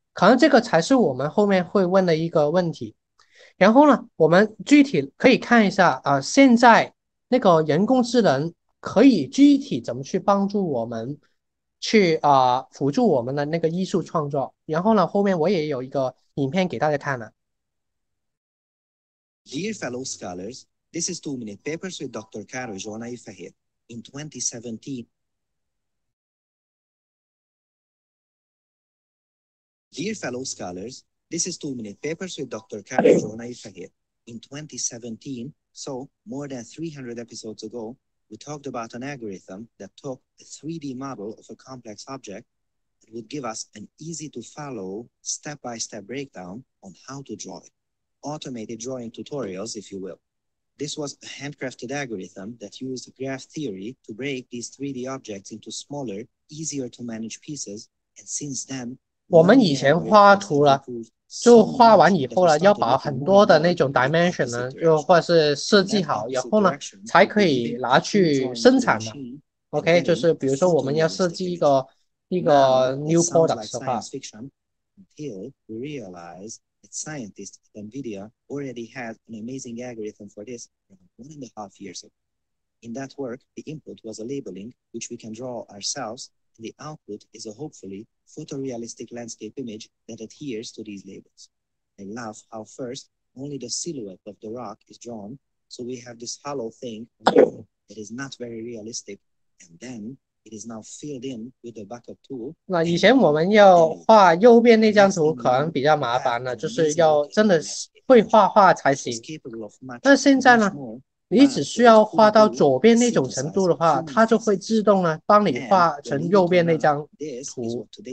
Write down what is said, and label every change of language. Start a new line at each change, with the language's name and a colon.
Chinese: 可能这个才是我们后面会问的一个问题。然后呢，我们具体可以看一下啊、现在那个人工智能可以具体怎么去帮助我们去啊、辅助我们的那个艺术创作。然后呢，后面我也有一个影片给大家看了。
English: Dear fellow scholars, this is 2 Minute Papers with Dr. Caro Joana Ifahir in 2017. Dear fellow scholars, this is 2 Minute Papers with Dr. Caro Joana Ifahir in 2017. So, more than 300 episodes ago, we talked about an algorithm that took a 3D model of a complex object and would give us an easy to follow step-by-step breakdown on how to draw it. Automated drawing tutorials, if you will. This was a handcrafted algorithm that used graph theory to break these 3D objects into smaller, easier to manage pieces. And since then,
Chinese: 我们以前画图了，就画完以后了，要把很多的那种 dimension 呢，又或是设计好，然后呢，才可以拿去生产的。 OK， 就是比如说我们要设计一个
English: new product
Chinese: 的话。
English: Until we realize that scientists at NVIDIA already had an amazing algorithm for this 1.5 years ago. In that work, the input was a labeling which we can draw ourselves, and the output is a hopefully photorealistic landscape image that adheres to these labels. I love how first only the silhouette of the rock is drawn, so we have this hollow thing that is not very realistic, and then it is now filled in with the backup tool.
Chinese: 那以前我们要画右边那张图可能比较麻烦了，就是要真的会画画才行。但现在呢，你只需要画到左边那种程度的话，它就会自动呢帮你画成右边那张图。